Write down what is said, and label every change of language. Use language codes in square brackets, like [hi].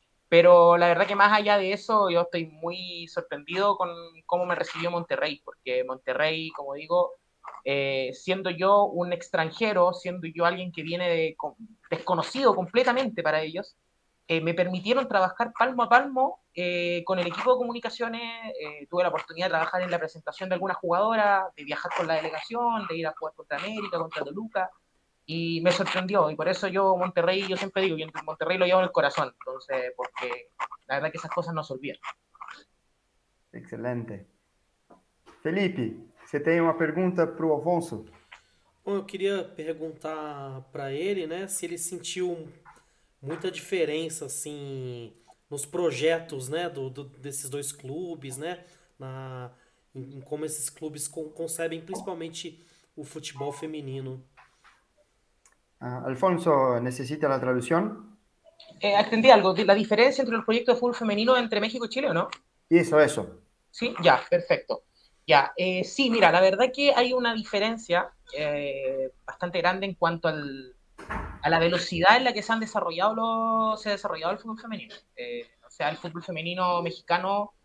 [es] Pero la verdad que más allá de eso, yo estoy muy sorprendido con cómo me recibió Monterrey, porque Monterrey, como digo, siendo yo un extranjero, siendo yo alguien que viene desconocido completamente para ellos, me permitieron trabajar palmo a palmo con el equipo de comunicaciones, tuve la oportunidad de trabajar en la presentación de alguna jugadora, de viajar con la delegación, de ir a jugar contra América, contra Toluca. Y me sorprendió, y por eso yo Monterrey, yo siempre digo, yo en Monterrey lo llevo en el corazón, entonces, porque la verdad es que esas cosas no se olvidan. Excelente. [pt] Felipe, você tem uma pergunta para o Alfonso? Bom, eu queria perguntar para ele, né, se ele sentiu muita diferença, assim, nos projetos, né, desses dois clubes, né, em como esses clubes concebem principalmente o futebol feminino. [es] Alfonso, ¿necesita la traducción? Entendí algo, la diferencia entre los proyectos de fútbol femenino entre México y Chile, ¿no? Eso. Sí, ya, perfecto. Ya, sí, mira, la verdad que hay una diferencia bastante grande en cuanto a la velocidad en la que se ha desarrollado el fútbol femenino. O sea, el fútbol femenino mexicano